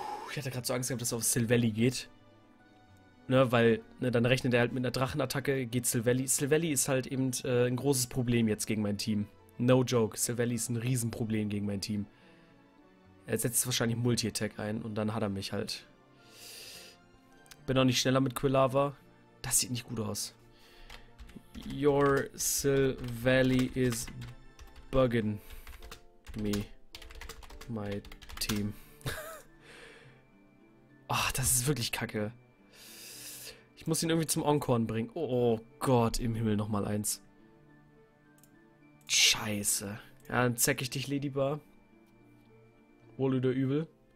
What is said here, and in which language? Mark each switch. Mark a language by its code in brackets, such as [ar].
[de] Ich hatte gerade so Angst gehabt, dass er auf Silvelli geht. Ne, weil, ne, dann rechnet er halt mit einer Drachenattacke, geht Silvelli. Silvelli ist halt eben ein großes Problem jetzt gegen mein Team. [en] No joke, [de] Silvelli ist ein Riesenproblem gegen mein Team. Er setzt wahrscheinlich Multi-Attack ein und dann hat er mich halt. Bin noch nicht schneller mit Quilava. Das sieht nicht gut aus. [en] Your Silvelli is bugging me. My team. [de] Ach, das ist wirklich kacke. Ich muss ihn irgendwie zum Encore bringen. Oh Gott, im Himmel nochmal eins. Scheiße. Ja, dann zeck ich dich, Ladybar. Wohl oder übel.